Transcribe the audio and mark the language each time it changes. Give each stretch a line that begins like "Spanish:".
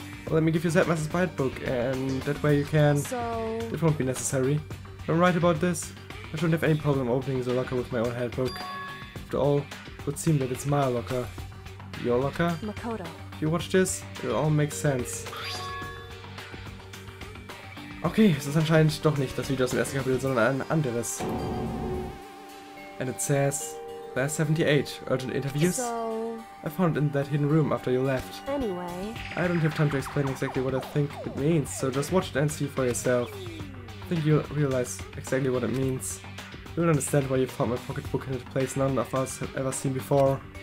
English: Well, let me give you that master's bite book, and that way you can... So... It won't be necessary. If I'm right about this, I shouldn't have any problem opening the locker with my own handbook. After all, it would seem that it's my locker. Your locker? Makoto. If you watch this, it'll all make sense.
German: Okay, es ist anscheinend doch nicht das Video aus dem ersten Kapitel, sondern ein anderes.
English: And it says... Last 78, urgent interviews? So... I found it in that hidden room after you left. Anyway... I don't have time to explain exactly what I think it means, so just watch it and see for yourself. I think you'll realize exactly what it means. You'll understand why you found my pocketbook in a place none of us have ever seen before.